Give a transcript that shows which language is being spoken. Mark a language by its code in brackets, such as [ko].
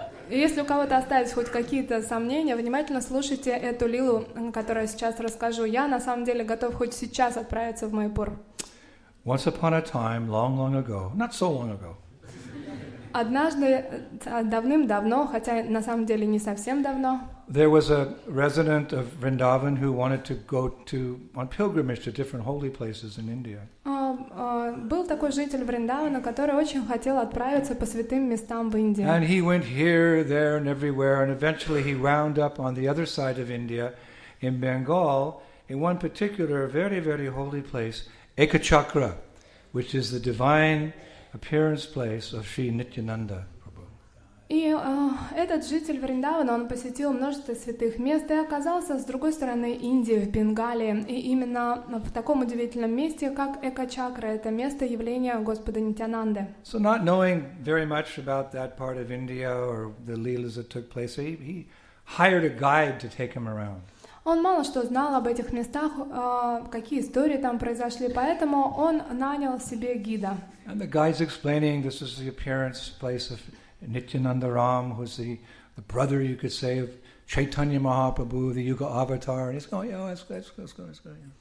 [ru] Если у кого-то остались хоть какие-то сомнения, внимательно слушайте эту лилу, которую я сейчас расскажу. Я на самом деле готов хоть сейчас отправиться в Майпур. [en] Once upon a time, long, long ago, not so long ago. [ru] Однажды давным-давно, хотя на самом деле не совсем давно. [en] There was a resident of Vrindavan who wanted to go to on pilgrimage to different holy places in India. [ru] Был такой житель Вриндавана, который очень хотел отправиться по святым местам в Индии. [en] And he went here, there, and everywhere, and eventually he wound up on the other side of India, in Bengal, in one particular very, very holy place, Ekachakra, which is the divine appearance place of Sri Nityananda. [ru] И этот житель Вриндавана, он посетил множество святых мест и оказался с другой стороны Индии, в Бенгалии. И именно в таком удивительном месте, как Экачакра, это место явления Господа Нитянанды. [en] So not knowing very much about that part of India or the leelas that took place, he hired a guide to take him around. [ru] Он мало что знал об этих местах, какие истории там произошли, поэтому он нанял себе гида. [en] And the guide's explaining this is the appearance place of Nityananda Ram, who's the brother, you could say, of Chaitanya Mahaprabhu, the Yuga Avatar, and he's going, yeah,